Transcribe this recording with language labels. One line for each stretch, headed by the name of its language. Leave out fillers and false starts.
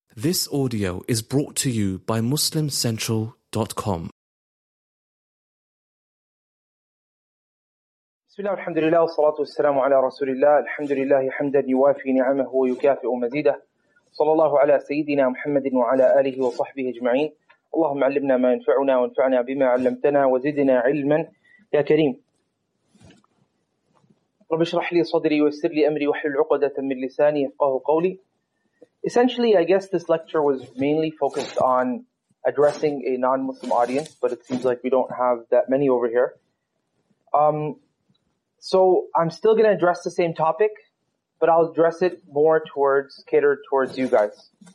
English: This audio is brought to you by MuslimCentral.com.
Arabic: بسم الله والحمد لله والصلاة والسلام على رسول الله الحمد لله حمدا يوافي نعمه ويكافئ مزيده صلى الله على سيدنا محمد وعلى آله وصحبه أجمعين اللهم علمنا ما ينفعنا وانفعنا بما علمتنا وزدنا علما يا كريم رب اشرح لي صدري ويسر لي أمري واحلل عقدة من لساني يفقه قولي.
English: Essentially, I guess this lecture was mainly focused on addressing a non-Muslim audience, but it seems like we don't have that many over here. So I'm still going to address the same topic, but I'll address it more towards, catered towards you guys.